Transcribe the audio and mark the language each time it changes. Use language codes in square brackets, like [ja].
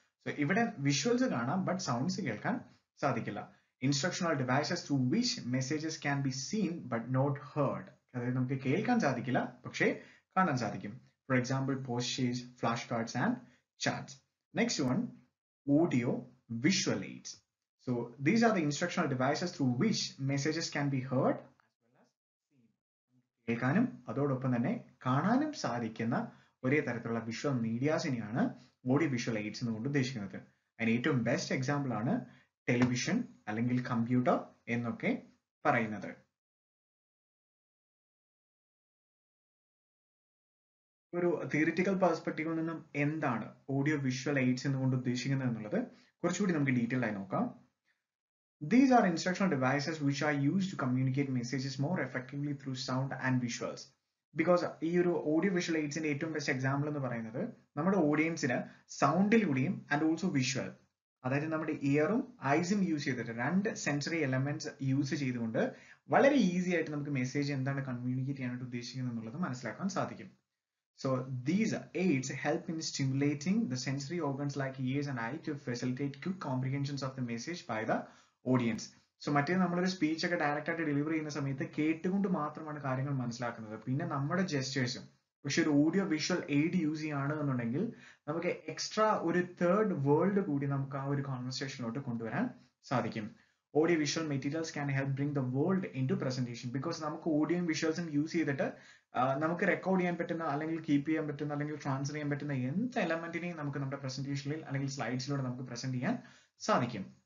[ml] So ഇവിടെ visuals കാണാം but sounds കേൾക്കാൻ സാധിക്കില്ല. [en] instructional devices through which messages can be seen but not heard, [ml] അതായത് നമുക്ക് കേൾക്കാൻ സാധിക്കില്ല പക്ഷേ കാണാൻ സാധിക്കും. [en] For example posters, flash cards and charts. Next one audio visual aids. So these are the instructional devices through which messages can be heard as well as seen. [ml] കേൾക്കാനും അതോടൊപ്പം തന്നെ കാണാനും സാധിക്കുന്ന ഒരേ തരത്തിലുള്ള വിഷ്വൽ മീഡിയാസിനെയാണ് ഓഡിയോ വിഷ്വൽ എയ്ഡ്സ് എന്നുകൊണ്ട് ഉദ്ദേശിക്കുന്നത്. അതിന് ഏറ്റവും ബെസ്റ്റ് എക്സാമ്പിൾ ആണ് ടെലിവിഷൻ അല്ലെങ്കിൽ കമ്പ്യൂട്ടർ എന്നൊക്കെ പറയുന്നത്. ഒരു തിയറിറ്റിക്കൽ പെർസ്പെക്ടീവിൽ നിന്നും എന്താണ് ഓഡിയോ വിഷ്വൽ എയ്ഡ്സ് എന്നുകൊണ്ട് ഉദ്ദേശിക്കുന്നത് എന്നുള്ളത് കുറച്ചുകൂടി നമുക്ക് ഡീറ്റെയിൽ ആയി നോക്കാം. [en] These are instructional devices which are used to communicate messages more effectively through sound and visuals. [ml] Because ഈ ഒരു ഓഡിയോ വിഷ്വൽ എയ്ഡ്സിന്റെ ഏറ്റവും ബെസ്റ്റ് എക്സാമ്പിൾ എന്ന് പറയുന്നത് നമ്മുടെ ഓഡിയൻസിന് സൗണ്ടിലൂടെയും ആൻഡ് ഓൾസോ വിഷ്വൽ, അതായത് നമ്മുടെ ഇയറും ഐസും യൂസ് ചെയ്തിട്ട്, രണ്ട് സെൻസറി എലമെന്റ്സ് യൂസ് ചെയ്തുകൊണ്ട് വളരെ ഈസി ആയിട്ട് നമുക്ക് മെസ്സേജ് എന്താണ് കമ്മ്യൂണിക്കേറ്റ് ചെയ്യാനായിട്ട് ഉദ്ദേശിക്കുന്നത് എന്നുള്ളത് മനസ്സിലാക്കാൻ സാധിക്കും. [en] So these aids help in stimulating the sensory organs like ears and eye to facilitate quick comprehensions of the message by the audience. [ml] So മറ്റേ നമ്മൾ ഒരു സ്പീച്ച് ഒക്കെ ഡയറക്റ്റ് ആയിട്ട് ഡെലിവർ ചെയ്യുന്ന സമയത്ത് കേട്ടുകൊണ്ട് മാത്രമാണ് കാര്യങ്ങൾ മനസ്സിലാക്കുന്നത്, പിന്നെ നമ്മുടെ ജെസ്റ്റേഴ്സും. പക്ഷെ ഒരു ഓഡിയോ വിഷ്വൽ എയ്ഡ് യൂസ് ചെയ്യാണ് എന്നുണ്ടെങ്കിൽ നമുക്ക് എക്സ്ട്രാ ഒരു തേർഡ് വേൾഡ് കൂടി നമുക്ക് ആ ഒരു കോൺവെർസേഷനിലോട്ട് കൊണ്ടുവരാൻ സാധിക്കും. [en] audio visual materials can help bring the world in to presentation, [ml] because നമുക്ക് ഓഡിയോ വിഷ്വൽസും യൂസ് ചെയ്തിട്ട് നമുക്ക് റെക്കോർഡ് ചെയ്യാൻ പറ്റുന്ന അല്ലെങ്കിൽ കീപ്പ് ചെയ്യാൻ പറ്റുന്ന അല്ലെങ്കിൽ ട്രാൻസ്ഫർ ചെയ്യാൻ പറ്റുന്ന എന്ത് എലമെന്റിനെയും നമുക്ക് നമ്മുടെ പ്രസന്റേഷനിൽ അല്ലെങ്കിൽ സ്ലൈഡ്സിലൂടെ നമുക്ക് പ്രസന്റ് ചെയ്യാൻ സാധിക്കും.